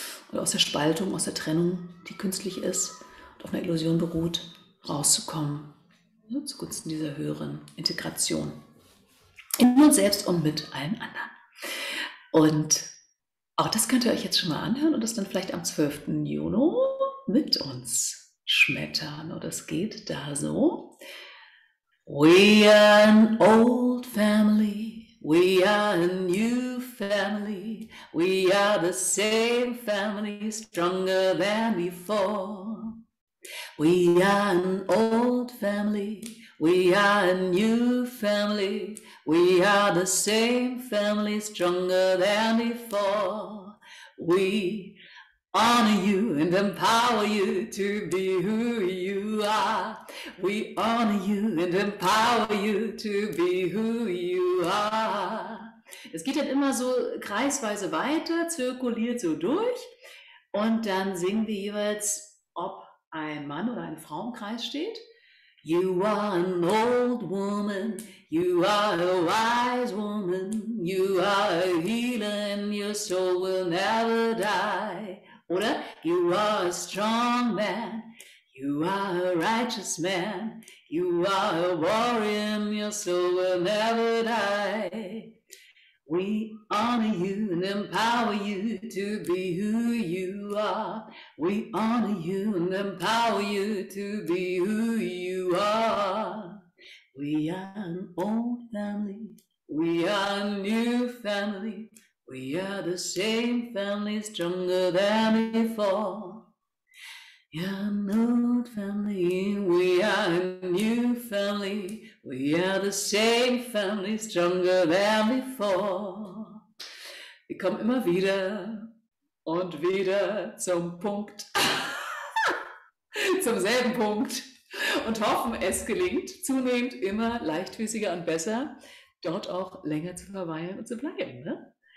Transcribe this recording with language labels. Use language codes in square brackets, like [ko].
[de] Und aus der Spaltung, aus der Trennung, die künstlich ist und auf einer Illusion beruht, rauszukommen, zugunsten dieser höheren Integration in uns selbst und mit allen anderen. Und auch das könnt ihr euch jetzt schon mal anhören und das dann vielleicht am 12. Juni mit uns schmettern. Und es geht da so. [en] We are an old family, we are a new family, we are the same family, stronger than before. We are an old family, we are a new family, we are the same family, stronger than before. We honor you and empower you to be who you are. We honor you and empower you to be who you are. [de] Es geht dann immer so kreisweise weiter, zirkuliert so durch. Und dann singen wir jeweils, ob ein Mann oder eine Frau im Kreis steht. [en] You are an old woman, you are a wise woman, you are a healer and your soul will never die. [de] Oder [en] you are a strong man, you are a righteous man, you are a warrior, your soul will never die. We honor you and empower you to be who you are. We honor you and empower you to be who you are. We are an old family, we are a new family. We are the same family, stronger than before. We are an old family, we are a new family. We are the same family, stronger than before. [de] Wir kommen immer wieder und wieder zum Punkt. Zum selben Punkt. Und hoffen, es gelingt zunehmend immer leichtfüßiger und besser, dort auch länger zu verweilen und zu bleiben, ne?